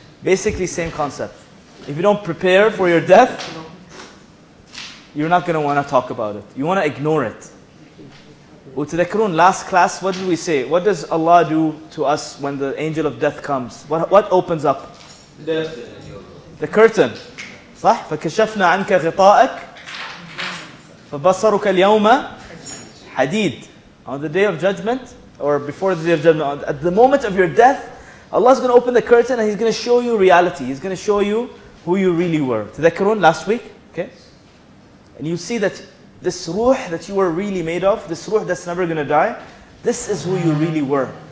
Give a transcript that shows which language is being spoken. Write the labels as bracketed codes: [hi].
[en] Basically, same concept. If you don't prepare for your death, you're not going to want to talk about it. You want to ignore it. [ar] وتذكرون, [en] last class, what did we say? What does Allah do to us when the angel of death comes? What opens up? The curtain. [ar] صح؟ فكشفنا عنك غطائك فبصرك اليوم حديد. [en] On the day of judgment, or before the day of judgment, at the moment of your death, Allah is going to open the curtain and He's going to show you reality. He's going to show you who you really were. [ar] تذكرون [en] last week, okay? And you see that this ruh that you were really made of, this ruh that's never going to die, this is who you really were.